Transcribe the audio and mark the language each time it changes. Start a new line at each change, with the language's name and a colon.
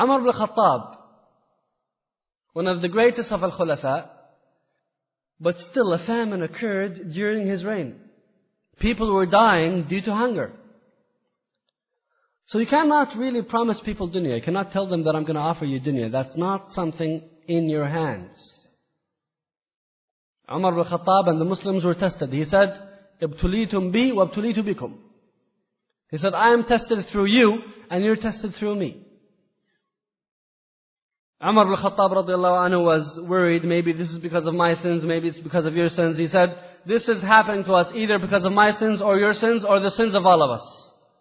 English: Umar ibn Khattab, one of the greatest of al-Khulafa, but still a famine occurred during his reign. People were dying due to hunger. So you cannot really promise people dunya. You cannot tell them that I'm going to offer you dunya. That's not something in your hands. Umar ibn Khattab and the Muslims were tested. He said,
Arabic: ابتليتم بي وابتليت بكم.
English: He said, I am tested through you and you're tested through me. Umar ibn Khattab radiallahu anhu was worried. Maybe this is because of my sins, maybe it's because of your sins. He said, this is happening to us either because of my sins or your sins or the sins of all of us.